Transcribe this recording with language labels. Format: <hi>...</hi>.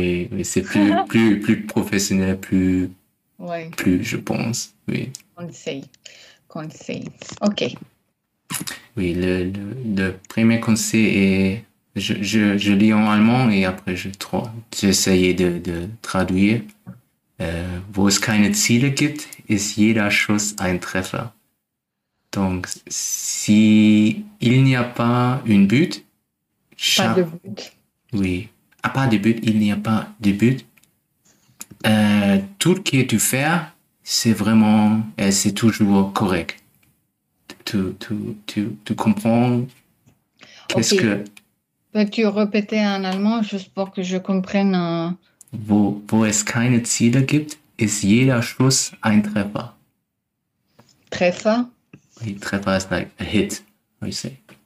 <fr>Oui, c'est plus professionnel, Oui. plus je pense, oui. Conseil. Conseil. OK. Oui, le premier conseil est, je lis en allemand et après j'essayais de traduire.</fr> <de>Wo es keine Ziele gibt, ist jeder Schuss ein Treffer.</de> <fr>Donc, si il n'y a pas un but, Pas de but. Oui. À part des buts, il n'y a pas de but. Tout ce que tu fais, c'est vraiment, c'est toujours correct. Tu comprends Ok. qu'est-ce que. Peux-tu répéter en allemand juste pour que je comprenne?</fr> <de>Wo es keine Ziele gibt, ist jeder Schuss ein Treffer. Treffer?</de> <fr>Oui,</fr> <de>Treffer ist</de> <en>like a hit, we say.</en>